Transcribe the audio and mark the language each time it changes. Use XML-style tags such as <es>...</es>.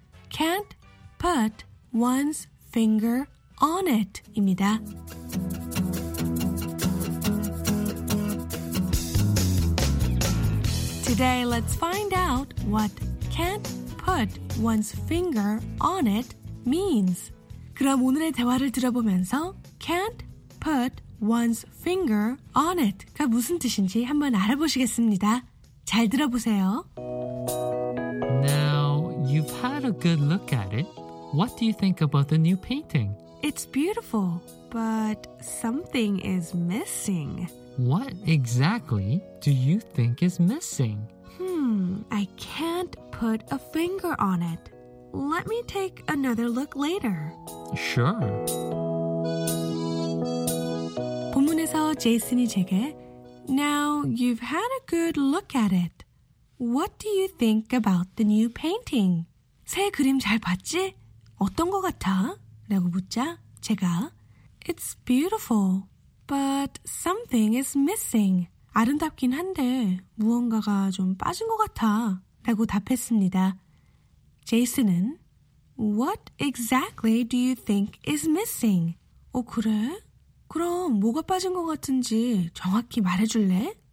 <en>Can't put one's finger on it</en> <ko>입니다. 오늘</ko> <en>let's find out what can't put one's finger on it means.</en> <ko>그럼 오늘의 대화를 들어보면서</ko> <en>can't put one's finger on it</en> <ko>가 무슨 뜻인지 한번 알아보시겠습니다. 잘 들어보세요.</ko> <en>Now, you've had a good look at it. What do you think about the new painting? It's beautiful, but something is missing. What exactly do you think is missing? I can't put a finger on it. Let me take another look later. Sure.</en> <ko>본문에서 제이슨이 제게</ko> <en>Now you've had a good look at it. What do you think about the new painting?</en> <ko>새 그림 잘 봤지? 어떤 거 같아? 라고 묻자 제가</ko> <en>It's beautiful, But something is missing.</en> <ko>아름답긴 한데 무언가가 좀 빠진 것 같아 라고 답했습니다.</ko> <en>제이슨은 What exactly do you think is missing?</en> <ko>어, 그래? 그럼 뭐가 빠진 것 같은지 정확히 말해줄래?</ko>